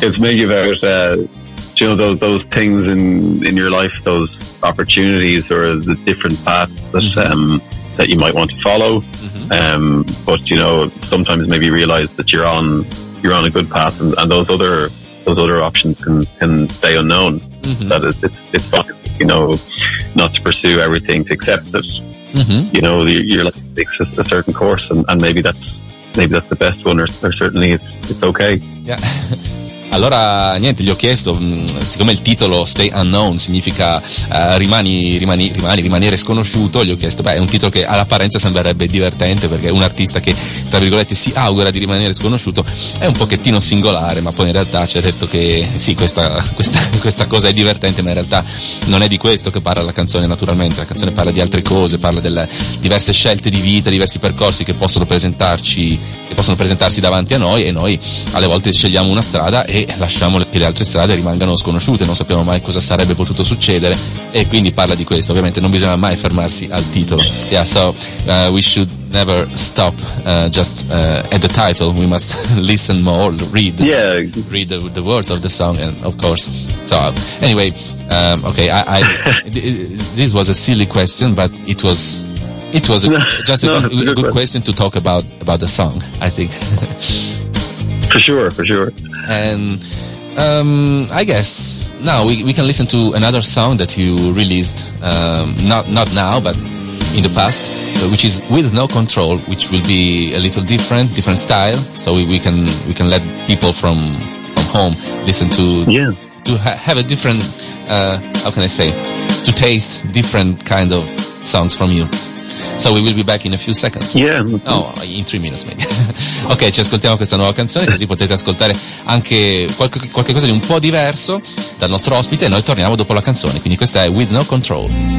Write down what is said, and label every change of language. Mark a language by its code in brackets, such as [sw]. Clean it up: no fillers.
[en] It's maybe about you know, those things in your life, those opportunities or the different paths that that you might want to follow, but you know, sometimes maybe realize that you're on a good path, and those other options can stay unknown. Mm-hmm. That it's fine, you know, not to pursue everything, to accept that you know your life takes a certain course, and maybe that's the best one, or certainly it's okay. Yeah. [it] Allora, niente, gli ho chiesto, siccome il titolo Stay Unknown significa rimanere sconosciuto, gli ho chiesto, beh, è un titolo che all'apparenza sembrerebbe divertente, perché un artista che, tra virgolette, si augura di rimanere sconosciuto è un pochettino singolare, ma poi in realtà ci ha detto che sì, questa cosa è divertente, ma in realtà non è di questo che parla la canzone, naturalmente. La canzone parla di altre cose, parla delle diverse scelte di vita, diversi percorsi che possono presentarsi davanti a noi, e noi alle volte scegliamo una strada e lasciamo che le altre strade rimangano sconosciute, non sappiamo mai cosa sarebbe potuto succedere, e quindi parla di questo. Ovviamente non bisogna mai fermarsi al titolo. [en] Yeah, so we should never stop just at the title. We must listen more, read the words of the song, and of course. So anyway, okay, I this was a silly question, but it was a good question to talk about the song, I think. For sure. And I guess now we can listen to another song that you released, not now, but in the past, which is With No Control, which will be a little different style. So we can let people from home listen to have a different how can I say, to taste different kind of songs from you. So we will be back in a few seconds. Yeah. No, in 3 minutes maybe. [it] Ok, ci ascoltiamo questa nuova canzone, così potete ascoltare anche qualche cosa di un po' diverso dal nostro ospite, e noi torniamo dopo la canzone. Quindi questa è With No Control.